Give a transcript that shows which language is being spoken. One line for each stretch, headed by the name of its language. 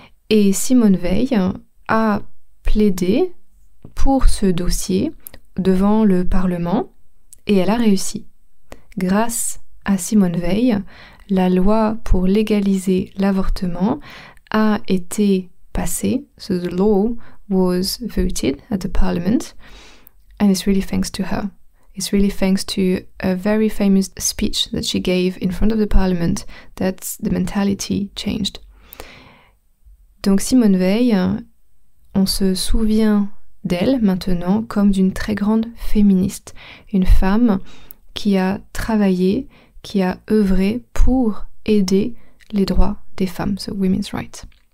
French: Et Simone Veil a plaidé pour ce dossier devant le Parlement et elle a réussi. Grâce à Simone Veil, la loi pour légaliser l'avortement a été passée.
English: So the law was voted at the Parliament and it's really thanks to her. It's really thanks to a very famous speech that she gave in front of the parliament that the mentality changed.
French: Donc Simone Veil, on se souvient d'elle maintenant comme d'une très grande féministe, une femme qui a travaillé, qui a œuvré pour aider les droits des femmes,
English: so women's rights.